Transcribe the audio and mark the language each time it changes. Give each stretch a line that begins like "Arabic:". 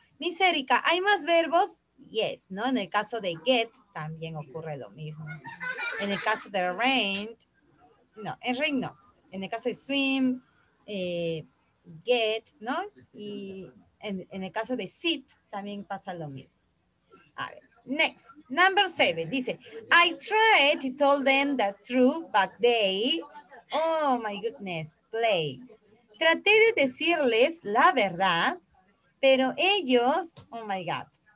Spanish: Miss Erika, ¿hay más verbos? Yes, ¿no? En el caso de get, también ocurre lo mismo. En el caso de rent, no, en rent no. En el caso de swim, get, ¿no? Y en el caso de sit, también pasa lo mismo. A ver, next.
English: Number 7, dice, I tried to tell them the truth, but they, oh my goodness, play.
Spanish: Traté de decirles la verdad, pero ellos,
English: oh my God.